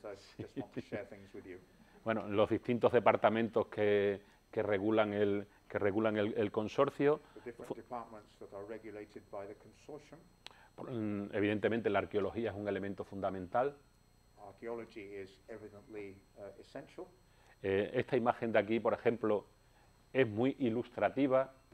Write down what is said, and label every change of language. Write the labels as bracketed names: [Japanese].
[English] I just want to share things with you. [Spanish] Bueno, los distintos departamentos que regulan el consorcio. [English] The different departments that are regulated by the consortium. [Spanish] Evidentemente, la arqueología es un elemento fundamental. [English] Archaeology is evidently essential. [Spanish] Esta imagen de aquí, por ejemplo, es muy ilustrativa.